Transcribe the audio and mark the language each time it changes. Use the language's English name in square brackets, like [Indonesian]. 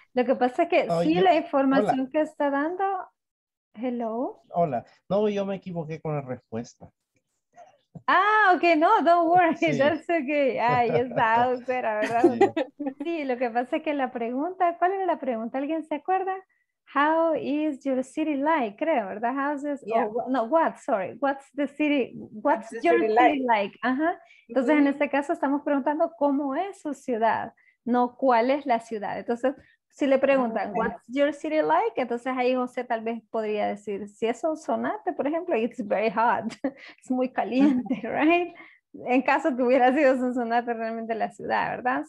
[Spanish] Lo que pasa es que la información que está dando... [English] Hello. [Spanish] Hola. No, yo me equivoqué con la respuesta. [English] Ah, ok, no, don't worry, sí. That's okay. [Spanish] Ay, está austera, ¿verdad? Sí, lo que pasa es que la pregunta, ¿cuál era la pregunta? ¿Alguien se acuerda? [English] How is your city like, [Spanish] creo, ¿verdad? [English] Houses, yeah. Oh, no, what, sorry, what's the city, what's your city like? [Spanish] Ajá. Entonces, en este caso, estamos preguntando cómo es su ciudad, no cuál es la ciudad. Entonces, si le preguntan, [English] what's your city like? [Spanish] Entonces ahí José tal vez podría decir, si es Sonsonate, por ejemplo, [English] it's very hot. [Spanish] Es muy caliente, right? En caso que hubiera sido Sonsonate realmente la ciudad, ¿verdad?